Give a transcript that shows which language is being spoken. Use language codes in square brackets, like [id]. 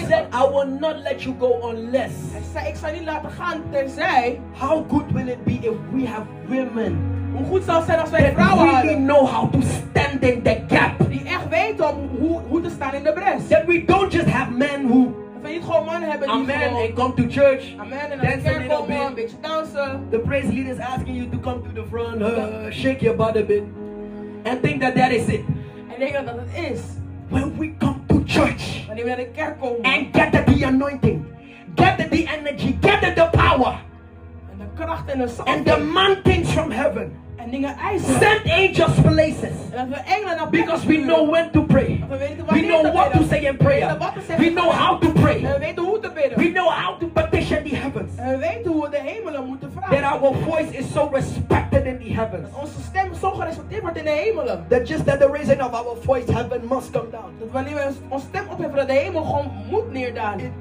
[en] He said, I will not let you go unless. [nl] Hij zei, ik zal niet laten gaan tenzij. [en] How good will it be if we have women? [nl] Hoe goed zal het zijn als wij vrouwen [en] really [nl] hadden? [en] Know how to stand in the gap. [nl] Die echt weten om hoe te staan in de bres. [en] That we don't just have men who. [nl] Dat we niet gewoon mannen hebben die. [en] Amen and come to church. Amen and dance a little bit. [nl] Een beetje dansen. [en] The praise leader is asking you to come to the front, shake your butt a bit, and think that is it. [nl] En denk dat het is. [en] When we come. And get the anointing. Get the energy. Get the power. And the [nl] kracht en de zalving. [en] And demand things from heaven. [nl] En dingen eisen. [en] Send angels places. Because we know when to pray. We know what to say in prayer. We know how to pray. [nl] We weten hoe te bidden. [en] We know how to petition the heavens. [nl] En we weten hoe de hemelen moeten vragen. [en] That our voice is so respected in the heavens. [nl] Onze stem zo gerespecteerd wordt in de hemelen. [en] That just that the reason of our voice heaven must come down. [nl] Dat wanneer we ons stem opheffen dat de hemel gewoon moet neerdalen.